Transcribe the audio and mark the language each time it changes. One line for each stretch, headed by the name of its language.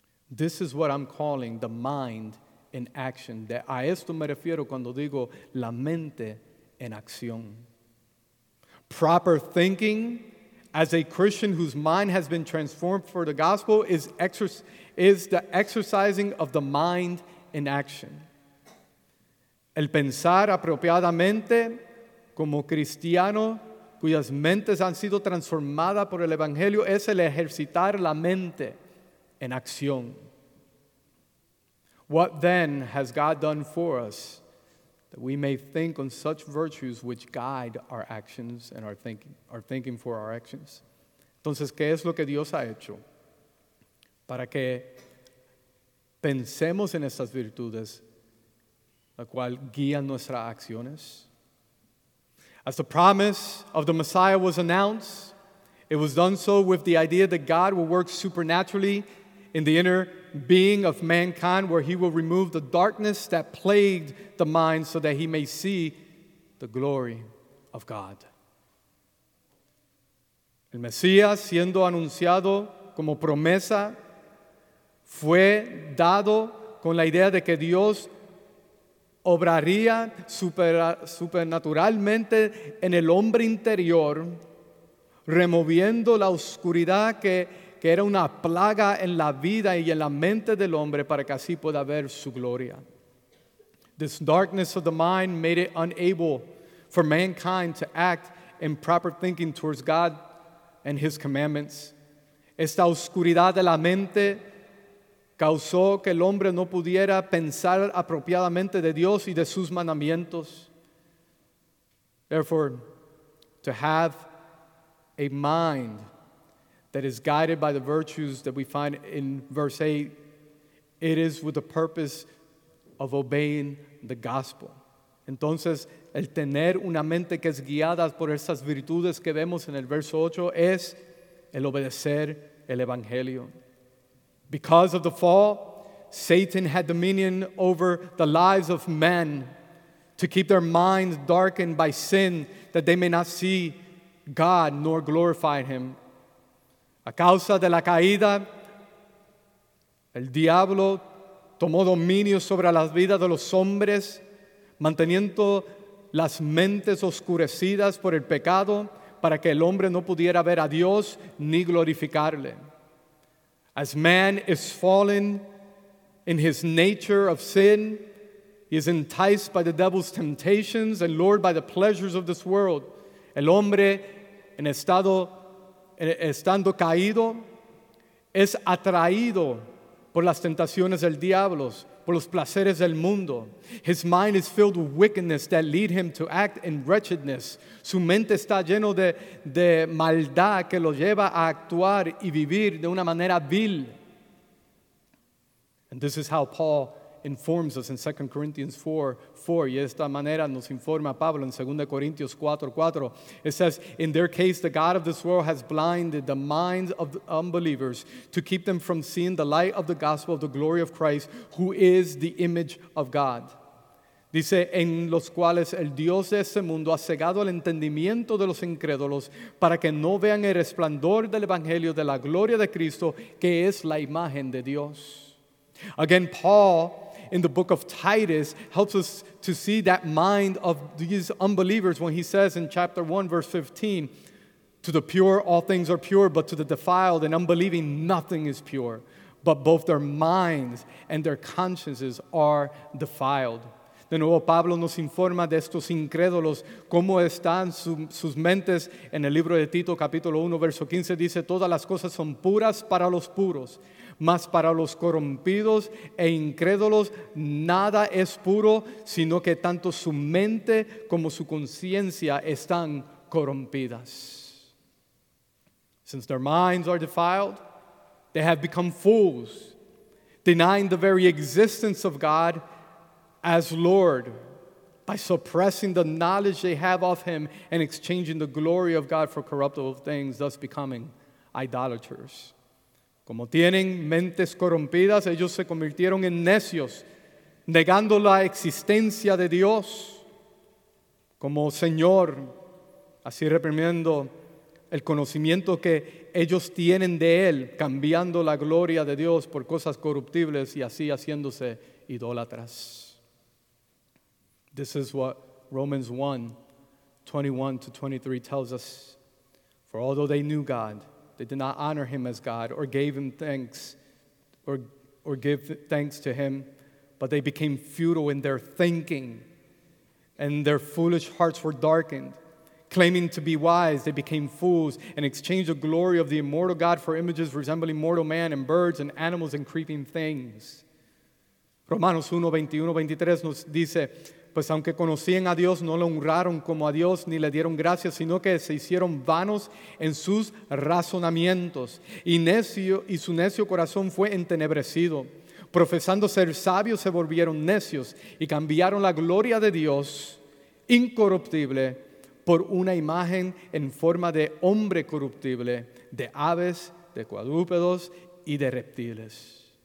English: This is what I'm calling the mind in action.
Spanish: A esto me refiero cuando digo la mente en acción.
English: Proper thinking as a Christian whose mind has been transformed for the gospel is the exercising of the mind in action.
Spanish: El pensar apropiadamente como cristiano cuyas mentes han sido transformadas por el evangelio es el ejercitar la mente en acción.
English: What then has God done for us that we may think on such virtues which guide our actions and our thinking for our actions?
Spanish: Entonces, ¿qué es lo que Dios ha hecho para que pensemos en estas virtudes la cual guía nuestras acciones?
English: As the promise of the Messiah was announced, it was done so with the idea that God will work supernaturally in the inner being of mankind, where He will remove the darkness that plagued the mind so that he may see the glory of God.
Spanish: El Mesías, siendo anunciado como promesa, fue dado con la idea de que Dios obraría supernaturalmente en el hombre interior, removiendo la oscuridad que era una plaga en la vida y en la mente del hombre para que así pueda ver su gloria.
English: This darkness of the mind made it unable for mankind to act in proper thinking towards God and His commandments.
Spanish: Esta oscuridad de la mente causó que el hombre no pudiera pensar apropiadamente de Dios y de sus mandamientos.
English: Therefore, to have a mind that is guided by the virtues that we find in verse 8, it is with the purpose of obeying the gospel.
Spanish: Entonces, el tener una mente que es guiada por esas virtudes que vemos en el verso 8 es el obedecer el evangelio.
English: Because of the fall, Satan had dominion over the lives of men to keep their minds darkened by sin, that they may not see God nor glorify him.
Spanish: A causa de la caída, el diablo tomó dominio sobre las vidas de los hombres, manteniendo las mentes oscurecidas por el pecado, para que el hombre no pudiera ver a Dios ni glorificarle.
English: As man is fallen in his nature of sin, he is enticed by the devil's temptations and lured by the pleasures of this world.
Spanish: El hombre, estando caído, es atraído por las tentaciones del diablo, por los placeres del mundo.
English: His mind is filled with wickedness that lead him to act in wretchedness.
Spanish: Su mente está lleno de maldad que lo lleva a actuar y vivir de una manera vil.
English: And this is how Paul informs us in 2 Corinthians 4:4.
Spanish: Y esta manera nos informa Pablo en 2 Corintios 4:4.
English: It says, in their case, the God of this world has blinded the minds of the unbelievers to keep them from seeing the light of the gospel of the glory of Christ, who is the image of God.
Spanish: Dice, en los cuales el Dios de este mundo ha cegado el entendimiento de los incrédulos para que no vean el resplandor del evangelio de la gloria de Cristo, que es la imagen de Dios.
English: Again, Paul, in the book of Titus, helps us to see that mind of these unbelievers when he says in chapter 1, verse 15, to the pure, all things are pure, but to the defiled and unbelieving, nothing is pure, but both their minds and their consciences are defiled.
Spanish: De nuevo, Pablo nos informa de estos incrédulos, cómo están sus mentes. En el libro de Tito, capítulo 1, verso 15, dice, todas las cosas son puras para los puros, mas para los corrompidos e incrédulos nada es puro, sino que tanto su mente como su conciencia están corrompidas.
English: Since their minds are defiled, they have become fools, denying the very existence of God as Lord by suppressing the knowledge they have of him and exchanging the glory of God for corruptible things, thus becoming idolaters.
Spanish: Como tienen mentes corrompidas, ellos se convirtieron en necios, negando la existencia de Dios como Señor, así reprimiendo el conocimiento que ellos tienen de Él, cambiando la gloria de Dios por cosas corruptibles y así haciéndose idólatras.
English: This is what Romans 1:21-23 tells us. For although they knew God, they did not honor him as God or gave him thanks or give thanks to him, but they became futile in their thinking and their foolish hearts were darkened. Claiming to be wise, they became fools and exchanged the glory of the immortal God for images resembling mortal man and birds and animals and creeping things.
Spanish: Romanos 1:21-23 nos dice, pues aunque conocían a Dios, no lo honraron como a Dios ni le dieron gracias, sino que se hicieron vanos en sus razonamientos. Y su necio corazón fue entenebrecido. Profesando ser sabios, se volvieron necios y cambiaron la gloria de Dios incorruptible por una imagen en forma de hombre corruptible, de aves, de cuadrúpedos y de reptiles.